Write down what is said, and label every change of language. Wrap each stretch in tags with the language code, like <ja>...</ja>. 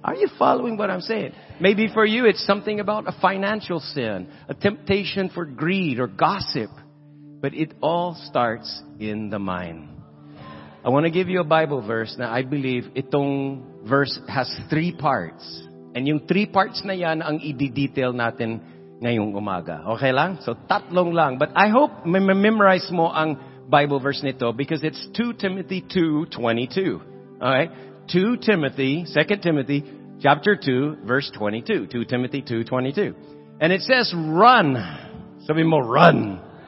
<en>Are you following what I'm saying? Maybe for you, it's something about a financial sin, a temptation for greed or gossip. But it all starts in the mind. I want to give you a Bible verse. Now, I believe itong verse has three parts.</en> <tl>And yung three parts na yan ang i-detail natin ngayong umaga. Okay lang? So, tatlong lang.</tl> <en>But I hope memorize</en> <tl>mo ang</tl> <en>Bible verse nito because it's 2 Timothy 2:22. All right? 2 Timothy, 2 Timothy, chapter 2, verse 22. 2 Timothy 2:22. And it says, run.</en> <tl>Sabi mo,</tl> <en>run.</en>